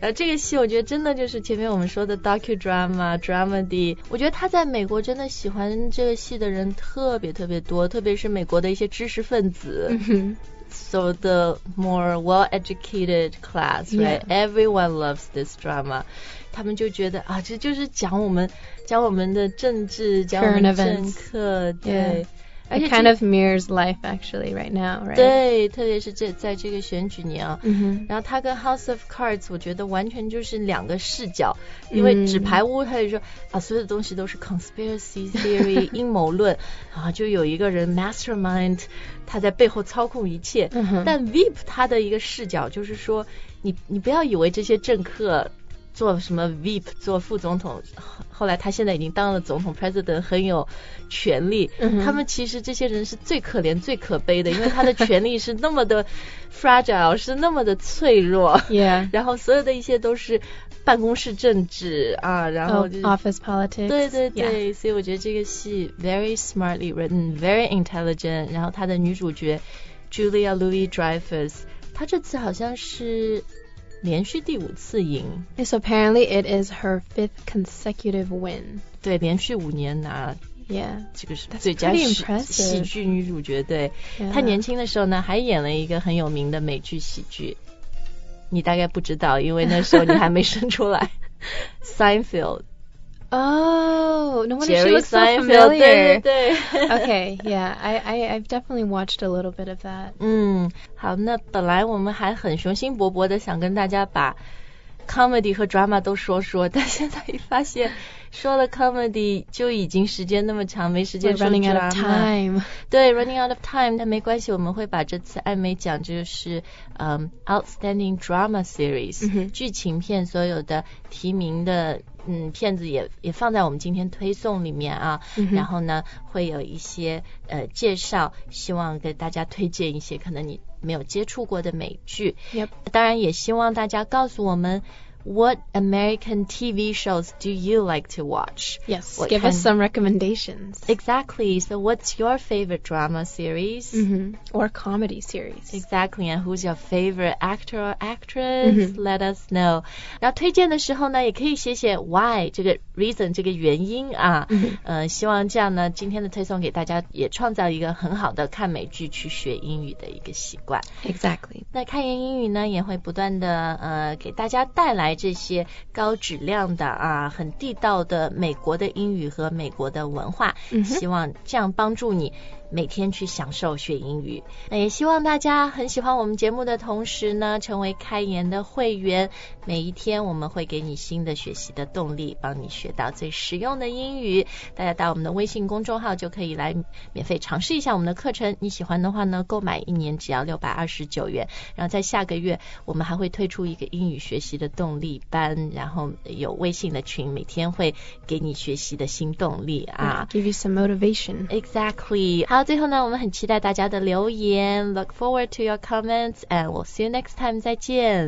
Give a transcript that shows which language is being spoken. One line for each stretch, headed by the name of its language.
Chinese: 然后这个戏我觉得真的就是前面我们说的 docudrama dramedy 我觉得他在美国真的喜欢这个戏的人特别特别多特别是美国的一些知识分子、
English: so the more well educated class right、 yeah. everyone loves this drama
Chinese: 他们就觉得啊这就是讲我们讲我们的政治讲我们的政客对、
English: yeah. It kind of mirrors life actually right now right?
Chinese: 对特别是这在这个选举年、
English: mm-hmm.
Chinese: 然后他跟 House of Cards 我觉得完全就是两个视角因为纸牌屋他就说、mm-hmm. 啊，所有的东西都是 conspiracy theory 阴谋论啊，就有一个人 mastermind 他在背后操控一切、
English: mm-hmm.
Chinese: 但 VIP 他的一个视角就是说你不要以为这些政客做什么 VIP 做副总统后来他现在已经当了总统 President 很有权力、
English: mm-hmm.
Chinese: 他们其实这些人是最可怜最可悲的因为他的权力是那么的 fragile 是那么的脆弱、
English: yeah.
Chinese: 然后所有的一切都是办公室政治啊，然后、
English: oh, office politics
Chinese: 对对对、
English: yeah.
Chinese: 所以我觉得这个戏
English: very smartly written very intelligent
Chinese: 然后他的女主角 Julia Louis-Dreyfus 他这次好像是连续第五次赢
English: So apparently it is her fifth consecutive win
Chinese: 对连续五年拿
English: Yeah
Chinese: 这个是最佳喜剧女主角对、
English: yeah.
Chinese: 她年轻的时候呢还演了一个很有名的美剧喜剧你大概不知道因为那时候你还没生出来Seinfeld
English: Oh, no wonder Jerry she looks Seinfeld, so familiar.
Chinese: 对对对
English: okay, yeah, I've definitely watched a little bit of that.
Chinese: 好，那本来我们还很雄心勃勃的想跟大家把 comedy 和 drama 都说说，但现在一发现说了 comedy 就已经时间那么长，没时间说 drama。
English: We're running out of time.
Chinese: 对
English: ，running out of time.
Chinese: 但没关系，我们会把这次艾美奖就是
English: outstanding drama series、 mm-hmm.
Chinese: 剧情片所有的提名的。片子也放在我们今天推送里面啊、
English: mm-hmm.
Chinese: 然后呢会有一些介绍希望给大家推荐一些可能你没有接触过的美剧、
English: yep.
Chinese: 当然也希望大家告诉我们
English: What American TV shows do you like to watch? Yes, give us some recommendations. Exactly, so what's your favorite drama series?、 Mm-hmm. Or comedy series. Exactly, and who's your favorite actor or actress?、 Mm-hmm. Let us know.
Chinese: 然后推荐的时候呢也可以写写 why, 这个 reason, 这个原因啊、
English: mm-hmm.
Chinese: 希望这样呢今天的推送给大家也创造一个很好的看美剧去学英语的一个习惯。
English: Exactly.
Chinese: 那看言英语呢也会不断的给大家带来这些高质量的啊很地道的美国的英语和美国的文化、
English: mm-hmm.
Chinese: 希望这样帮助你每天去享受学英语那也希望大家很喜欢我们节目的同时呢成为开言的会员每一天我们会给你新的学习的动力帮你学到最实用的英语大家到我们的微信公众号就可以来免费尝试一下我们的课程你喜欢的话呢购买一年只要629元然后在下个月我们还会推出一个英语学习的动力班然后有微信的群每天会给你学习的新动力啊
English: Give you some motivation Exactly
Chinese: 好最后呢我们很期待大家的留言
English: Look forward to your comments And we'll see you next time
Chinese: 再见